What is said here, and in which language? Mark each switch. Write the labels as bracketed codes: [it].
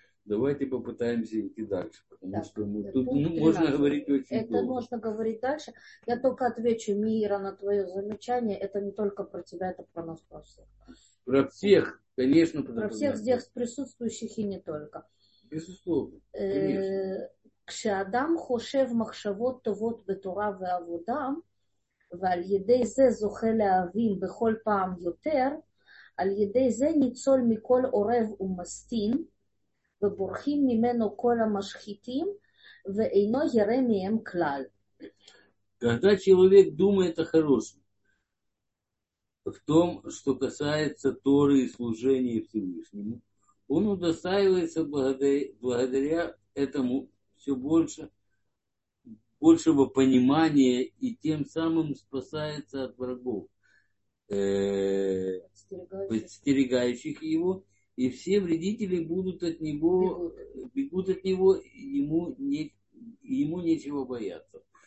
[ru] Давайте попытаемся идти дальше, потому так, что мы, тут ну, можно говорить очень это долго. Это можно говорить дальше. Я только отвечу, Мира, на твое замечание. Это не только про тебя, это про нас просто. Про всех, конечно. Про всех здесь присутствующих и не только. Безусловно, [he] כשאדם חושב מחשבות טובות בתורה ועבודה, ועל ידי זה זוכה להבין בכל פעם יותר, על ידי זה ניצול מכל עורב ומסתין, ובורחים ממנו כל המשחיתים, ואינו ירא מהם כלל. [ru] Когда человек думает о хорошем, в том, что касается Торы и служения Всевышнему, он удостаивается благодаря этому все больше, большего понимания и тем самым спасается от врагов, подстерегающих его, и все вредители будут от него, бегут от него, ему нечего бояться.